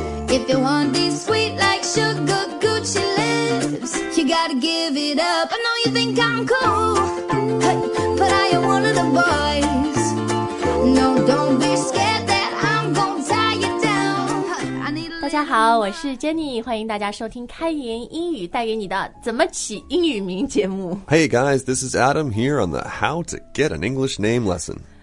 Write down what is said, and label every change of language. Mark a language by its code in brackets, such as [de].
[en] If you want these sweet like sugar Gucci lips, you gotta give it up. I know you think I'm cool, but I am one of the boys. No, don't be scared that I'm gonna tie you down. [zh] 大家好，我是 Jenny， 欢迎大家收听开言英语带给你的怎么起英语名节目。 [en] Hey guys, this is Adam here on the How to Get an English Name Lesson.